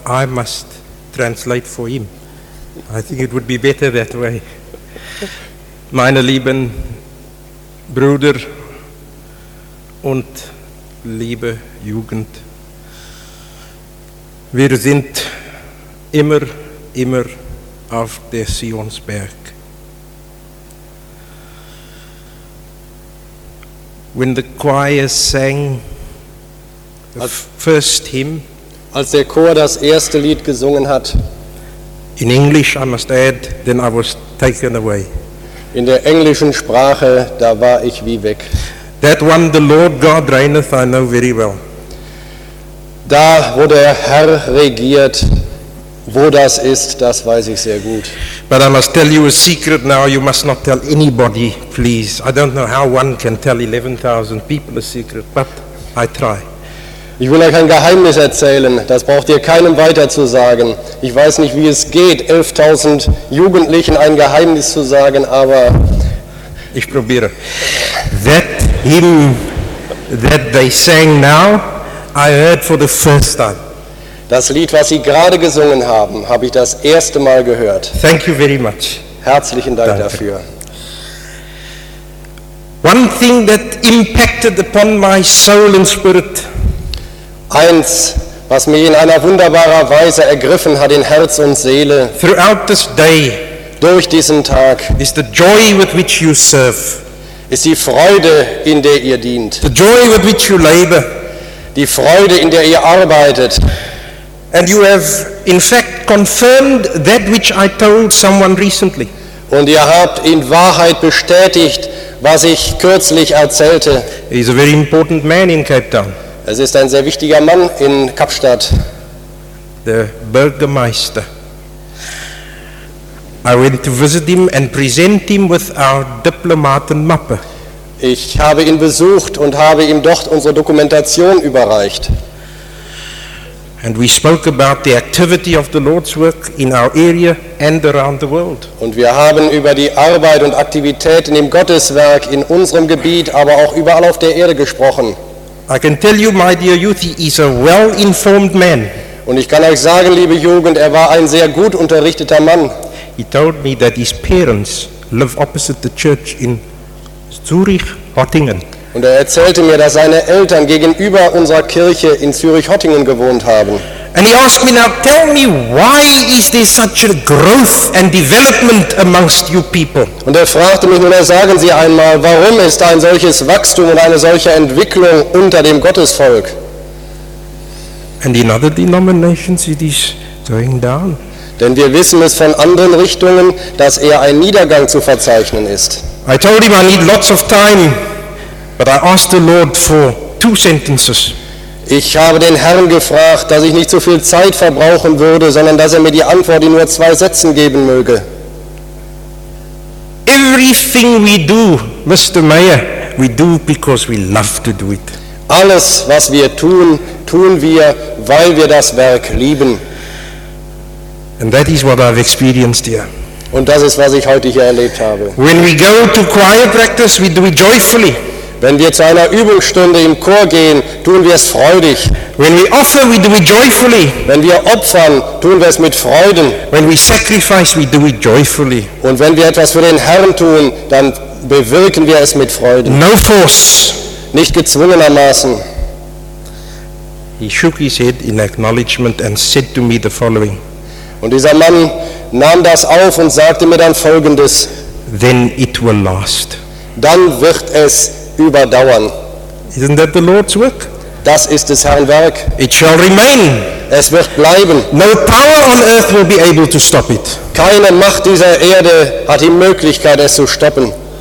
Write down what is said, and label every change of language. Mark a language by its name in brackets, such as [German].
[English] I must translate for him. I think it would be better that way. [German] Meine lieben Brüder und liebe Jugend, wir sind immer, immer auf der Sionsberg. [English] When the choir sang the first hymn, [German] als der Chor das erste Lied gesungen hat, [English] in English I must add, then I was taken away. [German] In der englischen Sprache, da war ich wie weg. [English] That one, the Lord God reigneth, I know very well. [German] Da, wo der Herr regiert, wo das ist, das weiß ich sehr gut. [English] But I must tell you a secret now, you must not tell anybody, please. I don't know how one can tell 11,000 people a secret, but I try. [German] Ich will euch ein Geheimnis erzählen, das braucht ihr keinem weiter zu sagen. Ich weiß nicht, wie es geht, 11.000 Jugendlichen ein Geheimnis zu sagen, aber... Ich probiere. [English] That hymn that they sang now, I heard for the first time. [German] Das Lied, was sie gerade gesungen haben, habe ich das erste Mal gehört. [English] Thank you very much. [German] Herzlichen Dank dafür. [English] One thing that impacted upon my soul and spirit... [German] Eins, was mich in einer wunderbaren Weise ergriffen hat in Herz und Seele, [English] throughout this day, [German] durch diesen Tag, [English] is the joy with which you serve, [German] ist die Freude, in der ihr dient, [English] the joy with which you labor, [German] die Freude, in der ihr arbeitet. [English] And you have in fact confirmed that which I told someone recently. [German] Und ihr habt in Wahrheit bestätigt, was ich kürzlich erzählte. [English] He's a very important man in Cape Town. [German] Es ist ein sehr wichtiger Mann in Kapstadt. Der Bürgermeister. [English] I went to visit him and present him with our Diplomatenmappe. [German] Ich habe ihn besucht und habe ihm dort unsere Dokumentation überreicht. [English] And we spoke about the activity of the Lord's work in our area and around the world. [German] Und wir haben über die Arbeit und Aktivitäten im Gotteswerk in unserem Gebiet, aber auch überall auf der Erde gesprochen. [English] I can tell you, my dear youth, he is a well-informed man. [German] Und ich kann euch sagen, liebe Jugend, er war ein sehr gut unterrichteter Mann. [English] He told me that his parents live opposite the church in Zürich, Hottingen. [German] Und er erzählte mir, dass seine Eltern gegenüber unserer Kirche in Zürich-Hottingen gewohnt haben. [English] And he asked me, now tell me, why is there such a growth and development amongst you people? [German] Und er fragte mich, nun sagen Sie einmal, warum ist ein solches Wachstum und eine solche Entwicklung unter dem Gottesvolk? [English] And in other denominations it is going down. [German] Denn wir wissen es von anderen Richtungen, dass eher ein Niedergang zu verzeichnen ist. [English] I told him I need lots of time, but I asked the Lord for two sentences. [German] Ich habe den Herrn gefragt, dass ich nicht so viel Zeit verbrauchen würde, sondern dass er mir die Antwort in nur zwei Sätzen geben möge. [English] Everything we do, Mr. Mayor, we do because we love to do it. [German] Alles, was wir tun, tun wir, weil wir das Werk lieben. [English] And that is what I've experienced here. [German] Und das ist, was ich heute hier erlebt habe. [English] When we go to choir practice, we do it joyfully. [German] Wenn wir zu einer Übungsstunde im Chor gehen, tun wir es freudig. [English] When we offer, we do it joyfully. [German] Wenn wir opfern, tun wir es mit Freuden. [English] When we sacrifice, we do it joyfully. [German] Und wenn wir etwas für den Herrn tun, dann bewirken wir es mit Freuden. [English] No force. [German] Nicht gezwungenermaßen. [English] He shook his head in acknowledgement and said to me the following. [German] Und dieser Mann nahm das auf und sagte mir dann Folgendes. [English] Then it will last. [German] Dann wird es überdauern. [English] Isn't that the Lord's work? [German] Das ist des Herrn Werk. [English] It shall remain. [German] Es wird bleiben. [English] No power on earth will be able to stop it. [German] Keine Macht dieser Erde hat die Möglichkeit, es zu stoppen.